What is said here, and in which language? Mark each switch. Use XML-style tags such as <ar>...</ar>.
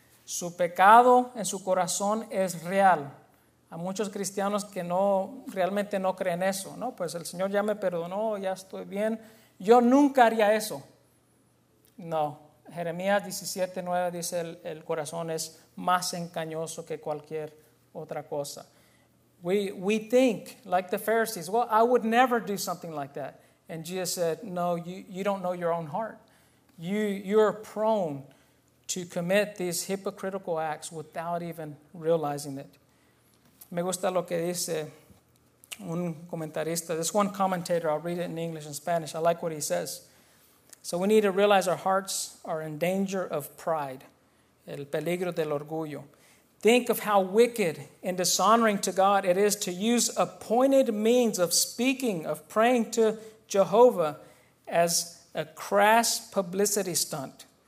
<es>Su pecado en su corazón es real. A muchos cristianos que no realmente no creen eso, ¿no? Pues el Señor ya me perdonó, ya estoy bien. Yo nunca haría eso. No, Jeremías 17:9 dice el corazón es más engañoso que cualquier otra cosa.</es> <en>We think, like the Pharisees, well, I would never do something like that. And Jesus said, no, you don't know your own heart. You're prone to commit these hypocritical acts without even realizing it.</en> <es>Me gusta lo que dice un comentarista.</es> <en>This one commentator, I'll read it in English and Spanish. I like what he says. So we need to realize our hearts are in danger of pride,</en> <es>el peligro del orgullo.</es> <en>Think of how wicked and dishonoring to God it is to use appointed means of speaking, of praying to Jehovah as a crass publicity stunt.</en>